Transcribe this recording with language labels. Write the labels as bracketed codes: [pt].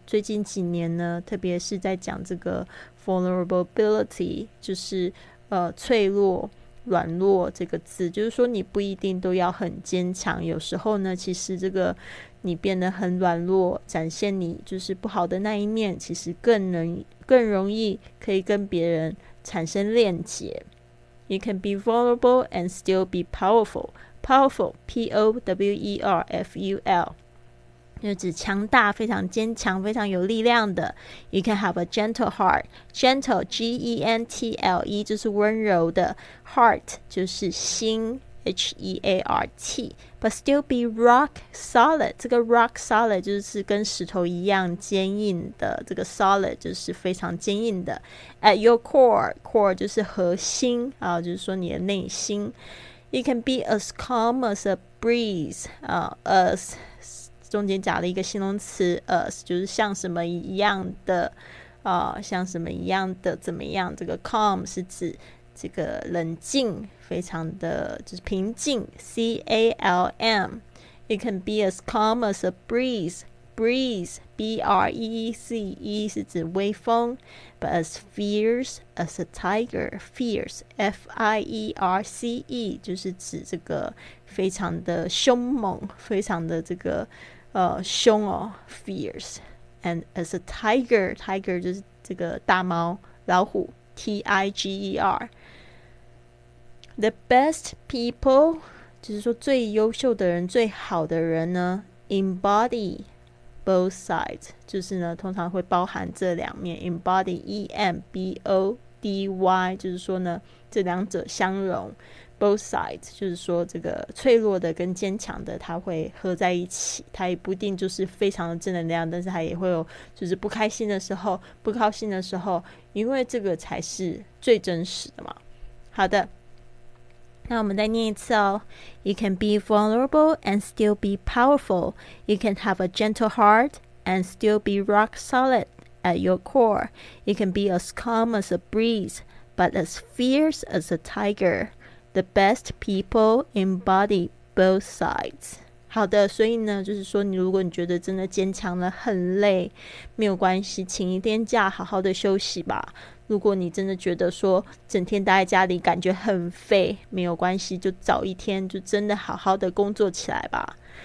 [zh] 最近几年呢，特别是在讲这个 vulnerability， 就是脆弱、软弱这个字，就是说你不一定都要很坚强，有时候呢其实这个你变得很软弱，展现你就是不好的那一面，其实更容易可以跟别人产生链接。 [en] You can be vulnerable and still be powerful. [zh] Powerful, P-O-W-E-R-F-U-L， 就指强大，非常坚强，非常有力量的。 [en] You can have a gentle heart. [zh] Gentle, G-E-N-T-L-E， 就是温柔的。 Heart 就是心， H-E-A-R-T。 [en] But still be rock solid， [zh] 这个 rock solid 就是跟石头一样坚硬的，这个 solid 就是非常坚硬的。 [en] At your core， [zh] core 就是核心啊，就是说你的内心。 [en] You can be as calm as a breeze， [zh] 啊， as中间加了一个形容词 as， 就是像什么一样的像什么一样的怎么样。这个 calm 是指这个冷静，非常的就是平静， C-A-L-M。 [en] You can be as calm as a breeze， [zh] breeze B-R-E-E-Z-E 是指微风。 [en] But as fierce as a tiger， [zh] fierce F-I-E-R-C-E 就是指这个非常的凶猛，非常的这个凶哦， fierce。 [en] And as a tiger， [zh] tiger 就是这个大猫，老虎， T-I-G-E-R。 [en] The best people [zh] 就是说最优秀的人，最好的人呢， [en] embody both sides， [zh] 就是呢通常会包含这两面， embody E-M-B-O-D-Y， 就是说呢这两者相融， [en] both sides， [zh] 就是说这个脆弱的跟坚强的，它会合在一起。它也不一定就是非常的正能量，但是它也会有就是不开心的时候、不高兴的时候，因为这个才是最真实的嘛。好的，那我们再念一次哦。 [en] You can be vulnerable and still be powerful. You can have a gentle heart and still be rock solid at your core. You can be as calm as a breeze, but as fierce as a tiger. The best people embody both sides。 [zh] 好的，所以呢，就是说，你如果你觉得真的坚强了，很累，没有关系，请一天假，好好的休息吧。如果你真的觉得说整天待在家里感觉很废，没有关系，就早一天就真的好好的工作起来吧。